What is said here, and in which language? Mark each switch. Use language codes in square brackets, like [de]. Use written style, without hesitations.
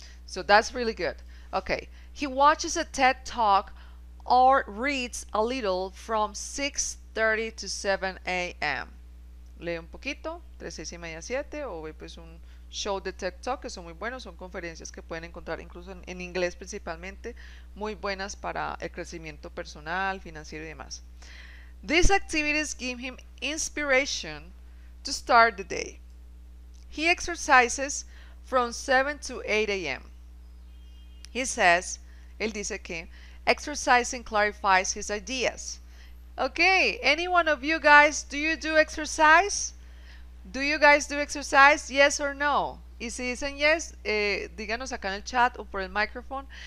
[en] So that's really good. Okay. He watches a TED talk or reads a little from 6:30 to 7 a.m. [es] Lee un poquito, entre 6 y media 7, o ve pues un show de TED Talk, que son muy buenos, son conferencias que pueden encontrar incluso en inglés principalmente, muy buenas para el crecimiento personal, financiero y demás. [en] These activities give him inspiration to start the day. He exercises from 7 to 8 a.m. He says, [es] él dice que [en] exercising clarifies his ideas. Okay, any one of you guys, do you do exercise? Do you guys do exercise? Yes or no? [es] Y si dicen yes, díganos acá en el chat o por el micrófono.